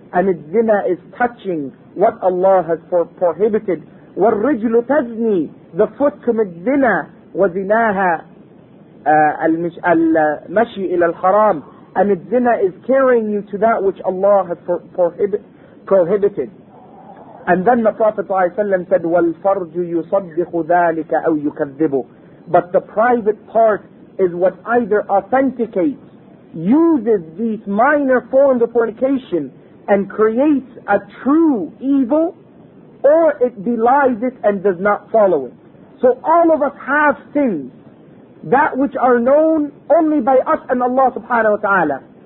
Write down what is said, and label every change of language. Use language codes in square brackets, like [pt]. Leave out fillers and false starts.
[en] And its zina is touching what Allah has prohibited. [ar] وَالْرِجْلُ تَزْنِي. [en] The foot commits zina. [ar] وَزِنَاهَا الْمَشِي إِلَى الْحَرَامِ. [en] And its zina is carrying you to that which Allah has prohibited. And then the Prophet ﷺ said, [ar] وَالْفَرْجُ يُصَدِّقُ ذَلِكَ أَوْ يُكَذِّبُ. [en] But the private part is what either authenticates, uses these minor forms of fornication and creates a true evil, or it belies it and does not follow it. So all of us have sins, that which are known only by us and Allah subhanahu wa ta'ala.